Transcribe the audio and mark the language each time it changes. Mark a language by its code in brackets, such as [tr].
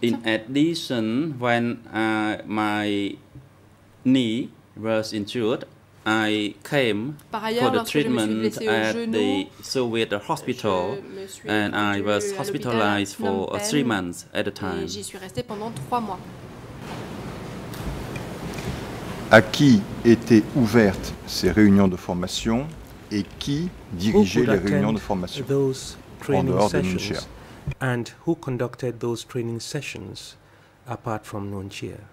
[en] In addition, when my knee was injured, I came for the treatment at the Soviet hospital. And I was hospitalized for 3 months at a time. [fr] J'y suis resté pendant 3 mois. À qui étaient ouvertes ces réunions de formation et qui dirigeait les réunions de formation en dehors de Nun Chea? [en] And who conducted those training sessions apart from Nun Chea?